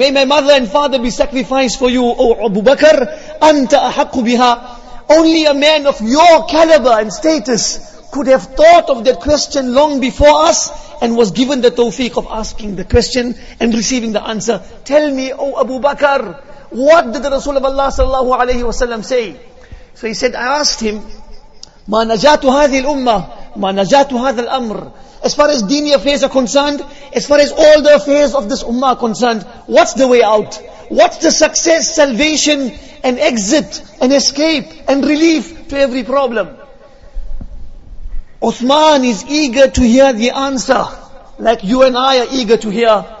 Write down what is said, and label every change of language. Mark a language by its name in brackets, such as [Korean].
[English] May my mother and father be sacrificed for you, O Abu Bakr, anta ahaqqu biha. Only a man of your caliber and status could have thought of that question long before us and was given the tawfiq of asking the question and receiving the answer. Tell me, O Abu Bakr, what did the Rasul of Allah sallallahu alayhi wa sallam say? So he said, I asked him, [Arabic] مَا نَجَاتُ هَذِي الْأُمَّةِ مَا نَجَاتُ هَذَا الْأَمْرِ. [English] As far as dini affairs are concerned, as far as all the affairs of this ummah are concerned, what's the way out? What's the success, salvation, and exit, and escape, and relief to every problem? Uthman is eager to hear the answer, like you and I are eager to hear.